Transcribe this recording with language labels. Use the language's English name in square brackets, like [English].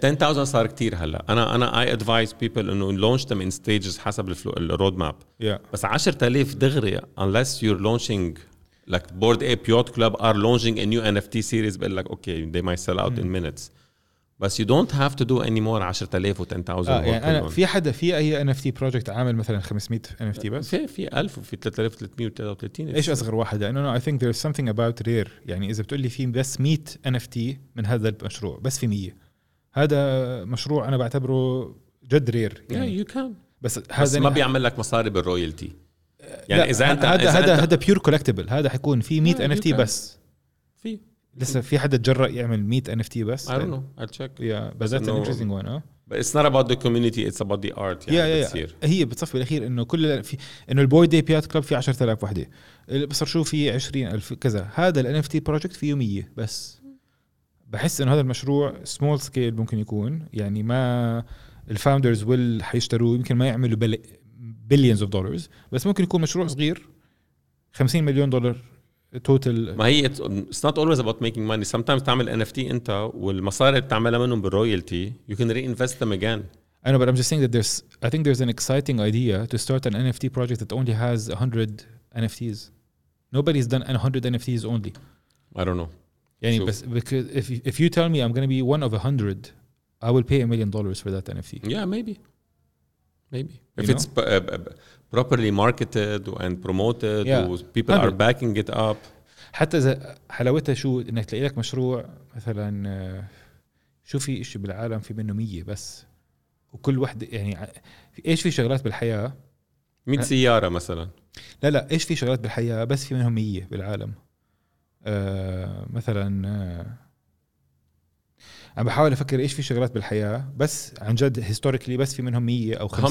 [Arabic] 10,000 صار كتير هلا انا [English] I advise people [Arabic] انه [English] launch them in stages [Arabic] حسب الرود ماب [English] yeah. [Arabic] بس [English] 10,000 [Arabic] دغري [English] unless you're launching like board ape yacht club are launching a new NFT series but like okay they might sell out in minutes بس you don't have to do any more 10,000 و 10,000 [Arabic] يعني في حدا في اي NFT project عامل مثلا 500 NFT بس في 1000 وفي 3333 ايش اصغر واحدة انا [English] I think there's something about rare [Arabic] يعني اذا بتقول لي في بس 100 NFT من هذا المشروع بس في 100 هذا مشروع انا بعتبره جد رير يعني [English] yeah, you can. [Arabic] بس هذا ما بيعمل لك مصاري بالرويالتي يعني اذا انت هذا pure collectible هذا حيكون في 100 yeah, NFT بس في لسه في حدا تجرأ يعمل 100 NFT بس [English] I don't know I'll check yeah but that's an interesting one but it's not about the community it's about the art يعني yeah, yeah, yeah. [Arabic] هي بتصفي الأخير انه كل في انه البويد اي بيات كلب في 10,000 وحدة بصر شو في 20,000 كذا هذا ال NFT project فيه 100 بس بحس انه هذا المشروع [English] small scale [Arabic] ممكن يكون يعني ما الفاوندرز will حيشتروه يمكن ما يعملوا [English] billions of dollars [Arabic] بس ممكن يكون مشروع صغير 50 مليون دولار total ما هي [English] it's not always about making money sometimes [Arabic] تعمل NFT انت والمصاري بتعملها منهم بالرويالتي [English] you can reinvest them again I know but I'm just saying that there's I think there's an exciting idea to start an NFT project that only has 100 NFTs nobody's done 100 NFTs only I don't know [Arabic] يعني [English] so, because if you tell me I'm going to be one of 100 I will pay $1 million for that NFT yeah maybe you if know? It's properly marketed and promoted yeah. and people 100. Are backing it up [Arabic] حتى إذا حلاوتها شو إنك تلاقي لك مشروع مثلا شو في إشي بالعالم في منه 100 بس وكل واحد يعني إيش في شغلات بالحياة 100 سيارة مثلا لا إيش في شغلات بالحياة بس في منهم 100 بالعالم مثلا عم بحاول أفكر إيش في شغلات بالحياة بس عن جد هيستوريكلي بس في منهم 100 أو 50